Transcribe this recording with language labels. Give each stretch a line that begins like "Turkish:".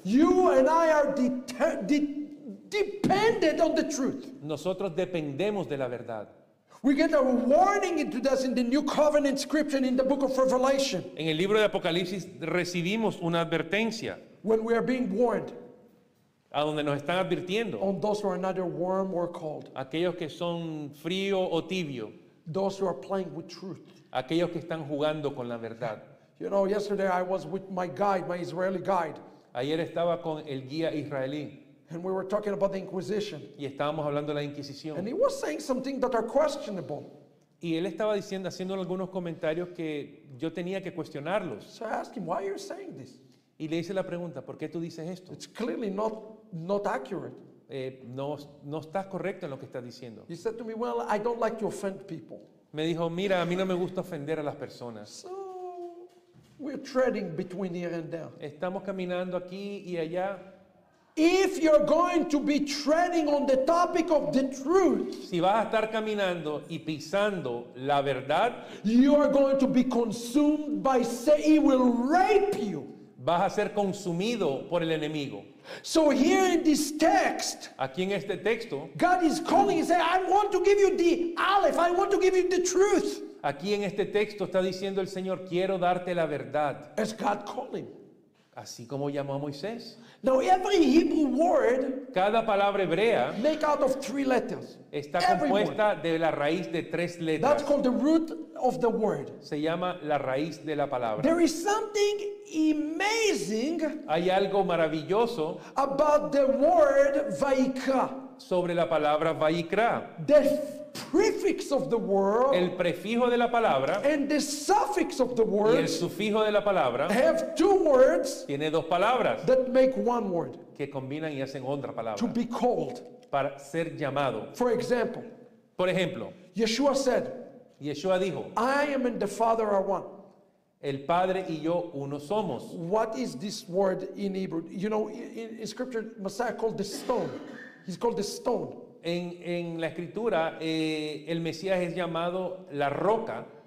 English: You and I are dependent on the truth.
Spanish: Nosotros dependemos de la verdad.
English: We get a warning into this in the New Covenant Scripture in the Book of Revelation.
Spanish: En el libro de Apocalipsis recibimos una advertencia.
English: When we are being warned.
Spanish: A donde nos están advirtiendo.
English: On those who are neither warm or cold.
Spanish: Aquellos que son frío o tibio.
English: Those who are playing with truth.
Spanish: Aquellos que están jugando con la verdad.
English: You know, yesterday I was with my guide, my Israeli guide.
Spanish: Ayer estaba con el guía israelí.
English: And we were talking about the Inquisition.
Spanish: Y estábamos hablando de la Inquisición.
English: And he was saying something that are questionable.
Spanish: Y él estaba diciendo, haciendo algunos comentarios que yo tenía que cuestionarlos.
English: So I asked him, why are you saying this?
Spanish: Y le hice la pregunta, ¿por qué tú dices esto?
English: It's clearly not accurate.
Spanish: No estás correcto en lo que estás diciendo.
English: He said to me, well, I don't like to offend people.
Spanish: Me dijo, mira, a mí no me gusta ofender a las personas.
English: So, we're treading between here and there.
Spanish: Estamos caminando aquí y allá.
English: If you're going to be treading on the topic of the truth,
Spanish: si vas a estar caminando y pisando la verdad,
English: you are going to be consumed by Satan. He will rape you.
Spanish: Vas a ser consumido por el enemigo.
English: So here in this text,
Spanish: aquí en este texto,
English: God is calling and saying, I want to give you the aleph. I want to give you the truth.
Spanish: Aquí en este texto está diciendo el Señor, quiero darte la verdad.
English: Is God calling?
Spanish: Así como llamó a Moisés.
English: Now every Hebrew word,
Spanish: cada palabra hebrea,
English: make out of three letters.
Spanish: Está compuesta de la raíz de tres letras.
English: That's called the root of the word.
Spanish: Se llama la raíz de la palabra.
English: There is something amazing.
Spanish: Hay algo maravilloso
English: about the word vaikra.
Spanish: Sobre la palabra vaikra.
English: The prefix of the word,
Spanish: el prefijo de la palabra,
English: and the suffix of the word,
Spanish: y el sufijo de la palabra,
English: have two words,
Spanish: tiene dos palabras,
English: that make one word,
Spanish: que combinan y hacen otra palabra,
English: to be called,
Spanish: para ser llamado.
English: For example,
Spanish: por ejemplo,
English: Yeshua said,
Spanish: Yeshua dijo,
English: I am and the Father are one.
Spanish: El Padre y yo uno somos.
English: What is this word in Hebrew? You know, in Scripture, Messiah called the stone. He's called the stone.
Spanish: En la escritura el Mesías es llamado la roca.